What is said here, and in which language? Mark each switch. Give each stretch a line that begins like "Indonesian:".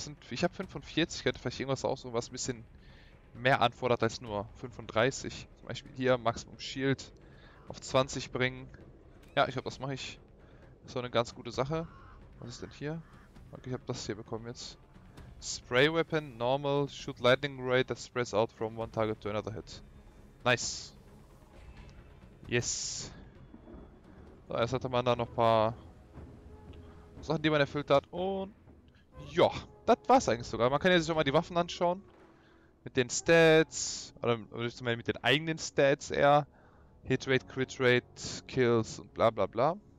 German: Ich habe 45, könnte vielleicht irgendwas aussuchen, was ein bisschen mehr anfordert als nur 35. Zum Beispiel hier Maximum Shield auf 20 bringen. Ja, ich glaube, das mache ich. Das ist auch eine ganz gute Sache. Was ist denn hier? Okay, ich habe das hier bekommen jetzt.
English: Spray Weapon, Normal, Shoot Lightning Ray that spreads out from one target to another hit. Nice. Yes.
German: So, jetzt hatte man da noch ein paar Sachen, die man erfüllt hat und. Ja, das war's eigentlich sogar. Man kann ja sich auch mal die Waffen anschauen. Mit den Stats. Oder zumindest mit den eigenen Stats eher. Hit Rate, Crit Rate, Kills und bla bla bla.